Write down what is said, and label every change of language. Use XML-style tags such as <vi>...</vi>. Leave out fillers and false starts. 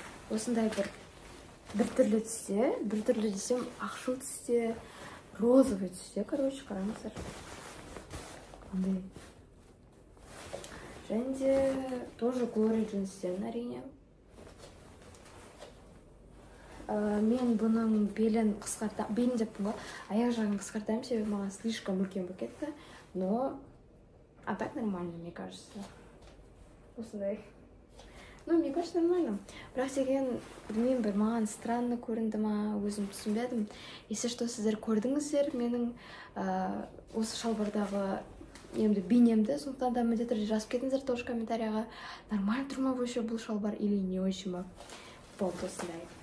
<kk>Осындай бір түрлі түсте, бір түрлі десем ақшыл түсте, розовый түсте, короче, қараңыздар. Мындай. Және де тоже Gloria джинстен әрине. Мен бұның белін қысқартамын, белін деп тұрмын ғой, аяқ жағын қысқартамын, себебі маған слишком үлкен болып кетті.</kk> <ru>Но а так нормально, мне кажется.</ru> <kk>Осындай.</kk> <ru>Ну, мне кажется, нормально.</ru> <kk>Бірақ деген, білмеймін бір, маған странно көрінді ма, өзім түсінбедім. Есе что, сіздер көрдіңіздер менің осы шалбардағы немді бейнемді, сондықтан да міндетті түрде жазып кетіңіздер тоже комментарияға. Нормально тұр ма вообще бұл шалбар</kk> <ru>или не очень</ru> <kk>ма? Болды осындай.</kk>